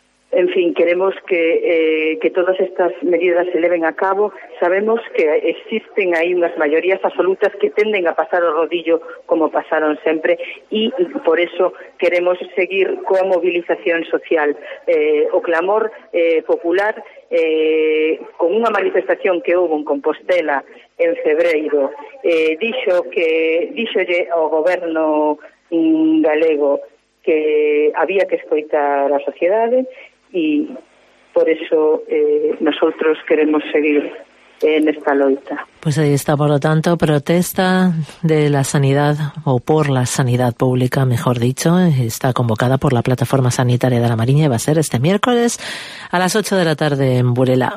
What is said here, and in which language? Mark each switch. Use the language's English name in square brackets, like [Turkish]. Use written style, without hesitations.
[Galician] En fin, queremos que todas estas medidas se leven a cabo. Sabemos que existen aí unhas maiorías absolutas que tenden a pasar o rodillo como pasaron sempre e por eso queremos seguir coa movilización social. O clamor popular, con unha manifestación que houve en Compostela en febreiro, díxolle ao goberno galego que había que escoitar a sociedade. [Spanish] Y por eso nosotros queremos seguir en esta loita. Pues ahí está, por lo tanto, protesta de la sanidad, o por la sanidad pública, mejor dicho. Está convocada por la Plataforma Sanitaria de la Mariña y va a ser este miércoles a las 8 de la tarde en Burela.